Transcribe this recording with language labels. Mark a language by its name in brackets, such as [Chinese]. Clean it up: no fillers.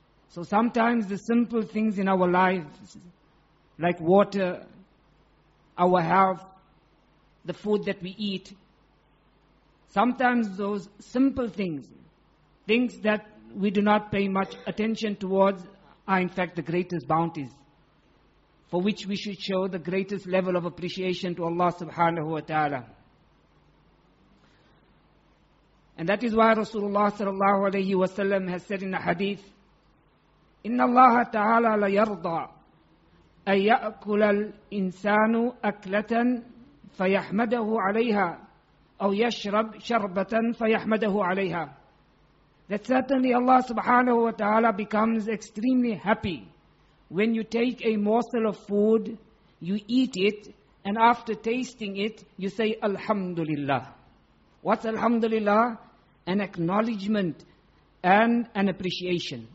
[English] So sometimes the simple things in our lives, like water, our health, the food that we eat, sometimes those simple things, things that we do not pay much attention towards, are in fact the greatest bounties, for which we should show the greatest level of appreciation to Allah subhanahu wa ta'ala. And that is why Rasulullah sallallahu alayhi wa sallam has said in the hadith, [Arabic] إِنَّ اللَّهَ تَعَالَى لَيَرْضَى أَن يَأْكُلَ الْإِنسَانُ أَكْلَةً فَيَحْمَدَهُ عَلَيْهَا أَوْ يَشْرَبْ شَرْبَةً فَيَحْمَدَهُ عَلَيْهَا. [English] That certainly Allah subhanahu wa ta'ala becomes extremely happy when you take a morsel of food, you eat it, and after tasting it, you say, Alhamdulillah. What's Alhamdulillah? An acknowledgement and an appreciation.